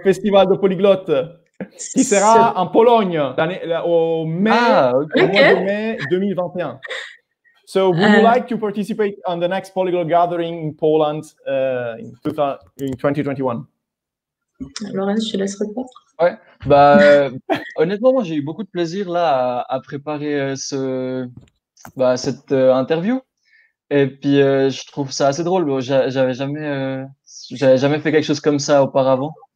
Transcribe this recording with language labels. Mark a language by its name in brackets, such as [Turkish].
[French] festival de polyglotte, qui sera en Pologne, au mois de mai 2021. [English] So, would you like to participate on the next polyglot gathering in Poland in 2021? [French] Laurence, je te laisse répondre. Ouais, honnêtement, moi j'ai eu beaucoup de plaisir là à préparer cette interview. Et puis je trouve ça assez drôle. J'avais jamais fait quelque chose comme ça auparavant.